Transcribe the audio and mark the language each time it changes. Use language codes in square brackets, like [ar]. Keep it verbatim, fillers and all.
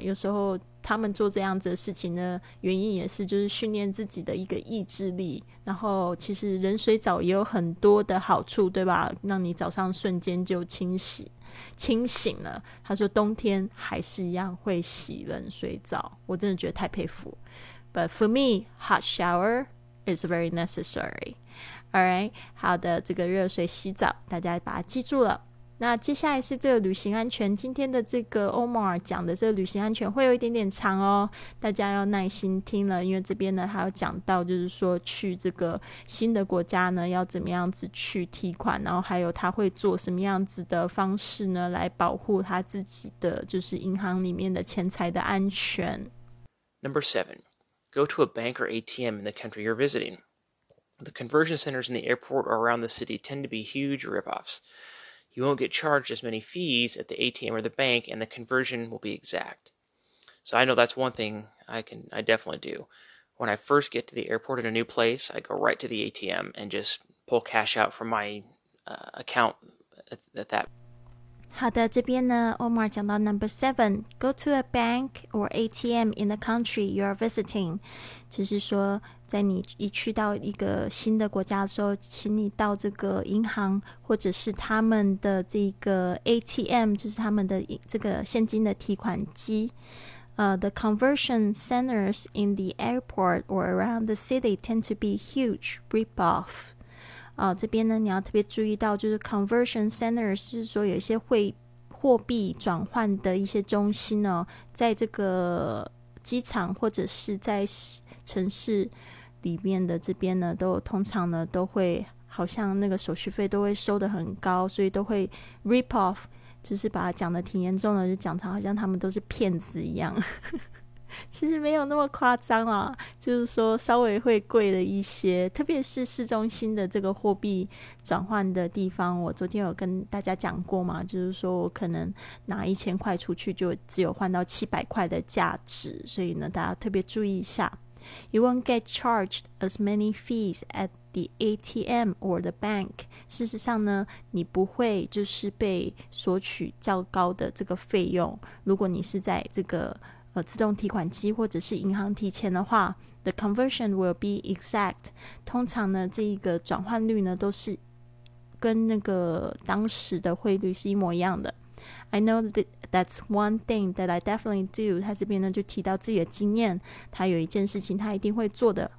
[zh] 有时候他们做这样子的事情呢，原因也是就是训练自己的一个意志力。然后其实冷水澡也有很多的好处，对吧？让你早上瞬间就清洗清醒了。他说冬天还是一样会洗冷水澡，我真的觉得太佩服。 [en] But for me, hot shower is very necessary. Alright， [zh] 好的，这个热水洗澡大家把它记住了。那接下来是这个旅行安全，今天的这个 Omar 讲的这个旅行安全会有一点点长哦，大家要耐心听了，因为这边呢还有讲到就是说去这个新的国家呢要怎么样子去提款，然后还有他会做什么样子的方式呢来保护他自己的就是银行里面的钱财的安全。 [en] Number seven, go to a bank or A T M in the country you're visiting. The conversion centers in the airport or around the city tend to be huge rip-offs. You won't get charged as many fees at the A T M or the bank, and the conversion will be exact. So I know that's one thing I can, I definitely do. When I first get to the airport in a new place, I go right to the A T M and just pull cash out from my uh, account at, at that. [zh] 好的，这边呢 [en] Omar [zh] 讲到 [en] number seven, go to a bank or A T M in the country you are visiting. [zh] 就是说在你一去到一个新的国家的时候，请你到这个银行或者是他们的这个 A T M， 就是他们的这个现金的提款机。 [en] Uh, the conversion centers in the airport or around the city tend to be huge rip-off. [zh] 呃，这边呢，你要特别注意到，就是 conversion centers 是说有一些汇货币转换的一些中心哦，在这个机场或者是在城市里面的这边呢，都通常呢都会好像那个手续费都会收得很高，所以都会 rip off， 就是把它讲得挺严重的，就讲成好像他们都是骗子一样。其实没有那么夸张啦，就是说稍微会贵了一些，特别是市中心的这个货币转换的地方。我昨天有跟大家讲过嘛，就是说我可能拿一千块出去就只有换到七百块的价值，所以呢大家特别注意一下。 [en] You won't get charged as many fees at the A T M or the bank. [zh] 事实上呢，你不会就是被索取较高的这个费用。如果你是在这个呃自动提款机或者是银行提钱的话 ， [en] the conversion will be exact. [zh] 通常呢，这一个转换率呢都是跟那个当时的汇率是一模一样的。 [en] I know that that's one thing that I definitely do. [zh] 他这边呢就提到自己的经验，他有一件事情他一定会做的。